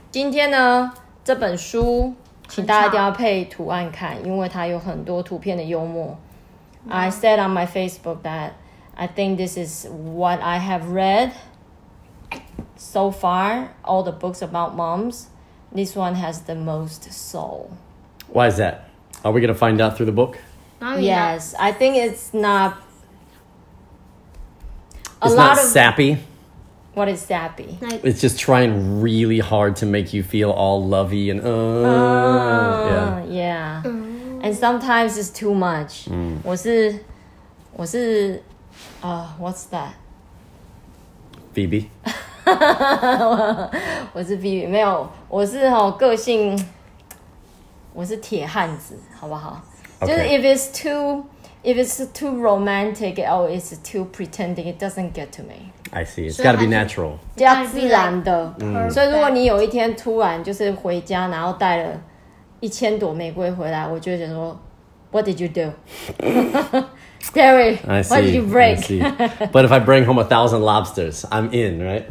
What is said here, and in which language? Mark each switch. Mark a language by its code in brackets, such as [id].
[zh] 今天呢，这本书请大家一定要配图案看，因为它有很多图片的幽默。 [en] I said on my Facebook that I think this is what I have read so far. All the books about moms, this one has the most soul. Why is that? Are we going to find out through the book? Yes, I think it's not. It's not sappy. What is sappy? It's just trying really hard to make you feel all lovey and Yeah. And sometimes it's too much. [zh] 我是 [en] what's that? Phoebe. [zh] 我是 Phoebe. 没有，我是哦，个性，我是铁汉子，好不好？ [en] Okay. [zh] 就是 [en] if it's too romantic, or it's too pretending, it doesn't get to me. I see. It's gotta be natural. [zh] 要自然的。所以如果你有一天突然就是回家，然后带了一千朵玫瑰回来，我就想说 ， [en] What did you do, Terry? What did you break? I see. But if I bring home 1,000 lobsters, I'm in, right?